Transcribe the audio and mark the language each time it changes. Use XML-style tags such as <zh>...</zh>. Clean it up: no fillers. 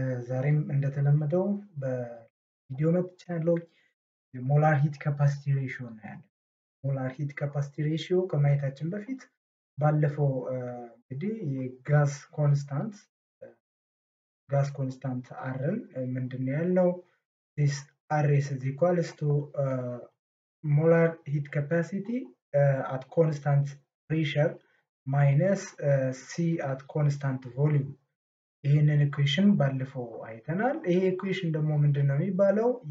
<am>ዛሬም እንደተለመደው በቪዲዮ መጥቻለሁ። የሞላር ሂት ካፓሲቲ ሬሽዮ ነው ያለው። ሞላር ሂት ካፓሲቲ ሬሽዮ ከማየታችን በፊት ባለፈው እንግዲህ የጋዝ ኮንስታንት አርን ምንድነው ያለው?</am> <en>this r is equal to molar heat capacity at constant pressure minus C at constant volume.</en> <am>ይህንን ኢኩዌሽን ባለፈው አይተናል። ይሄ ኢኩዌሽን ደግሞ ምንድን ነው የሚባለው?</am>